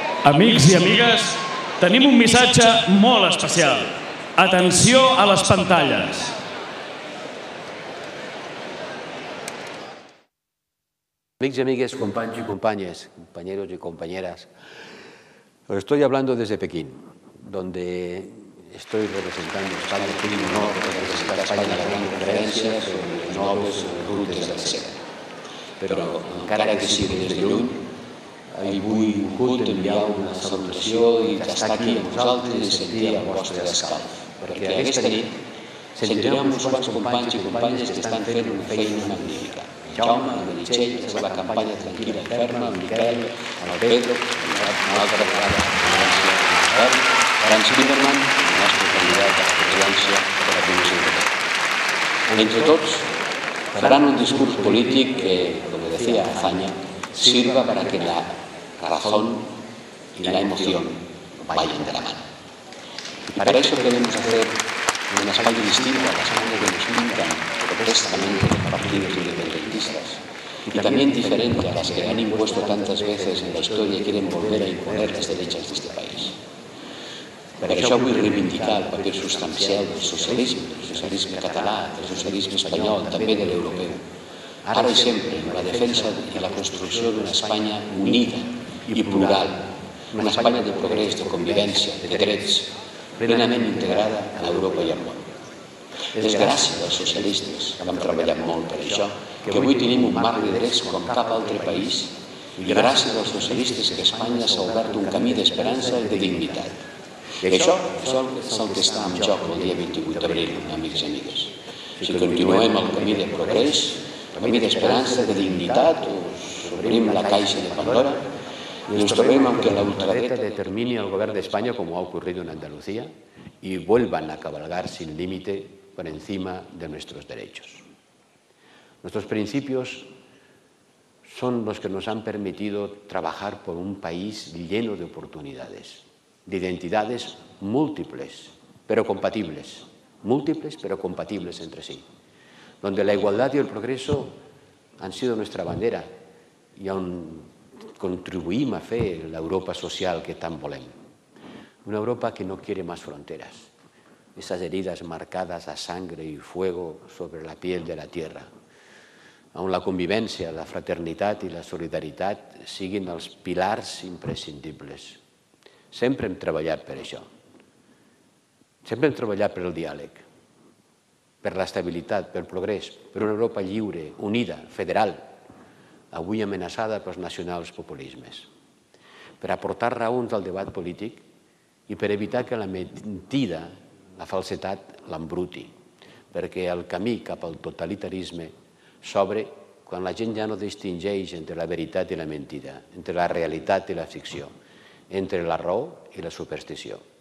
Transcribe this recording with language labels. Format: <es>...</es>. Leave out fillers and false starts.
<ca>Amics i amigues, tenim un missatge molt especial. Atenció a les pantalles. Amics i amigues, companys i companyes,</ca> <es>companyeros i companyeres, os estoy hablando desde Pekín, donde estoy representando España, que tiene un honor representar a España en la gran conferencia sobre nobles rutes de la seda.</es> <ca>Pero, encara que sigui des de lluny, ahir vull junt enviar una salutació i estar aquí amb vosaltres i sentir el vostre escalf. Perquè aquesta nit sentirem uns quants companys i companyes que estan fent una feina magnífica. En Jaume, en Meritxell, és la campanya Tranquil·la i Ferma, en Miquel, en el Pedro, en una altra vegada, en l'Ansia i en Ferm, Frans Lieberman, el nostre candidat a la presidència de la Comissió Europea. Entre tots, faran un discurs polític que, com deia Azaña,</ca> <es>sirva para que la razón y la emoción vayan de la mano. Y para eso queremos hacer una España distinta a la España que nos pintan protestamente los partidos independentistas y también diferente a las que han impuesto tantas veces en la historia y quieren volver a imponer las derechas de este país.</es> <ca>Per això vull reivindicar el paper substancial del socialisme català, del socialisme espanyol, també de l'europeu. Ara i sempre, en la defensa i la construcció d'una Espanya unida i plural, una Espanya de progrés, de convivència, de drets, plenament integrada a Europa i al món. És gràcies als socialistes, que hem treballat molt per això, que avui tenim un marc de drets com cap altre país, i gràcies als socialistes que Espanya s'ha obert un camí d'esperança i de dignitat. I això és el que està en joc el dia 28 d'abril, amics i amigues. Si continuem el camí de progrés, el camí d'esperança, de dignitat, us obrim la caixa de Pandora i ens trobem amb que la ultradreta determini el govern d'Espanya, com ha ocorrit en Andalusia, i</ca> <es>vuelvan a cabalgar sin límite per encima de nuestros derechos. Nuestros principios son los que nos han permitido trabajar por un país lleno de oportunidades, de identidades múltiples, pero compatibles. Múltiples, pero compatibles entre sí. Donde la igualdad y el progreso han sido nuestra bandera y aún</es> <ca>contribuïm a fer l'Europa social que tant volem.</ca> <es>Una Europa que no quiere más fronteras. Esas heridas marcadas a sangre y fuego sobre la piel de la tierra.</es> <ca>Aún la convivència, la fraternitat i la solidaritat siguin els pilars imprescindibles. Sempre hem treballat per això. Sempre hem treballat per el diàleg, per l'estabilitat, pel progrés, per una Europa lliure, unida, federal, avui amenaçada pels nacionals populismes, per aportar raons al debat polític i per evitar que la mentida, la falsedat, l'embruti, perquè el camí cap al totalitarisme s'obre quan la gent ja no distingeix entre la veritat i la mentida, entre la realitat i la ficció, entre la raó i la superstició.</ca>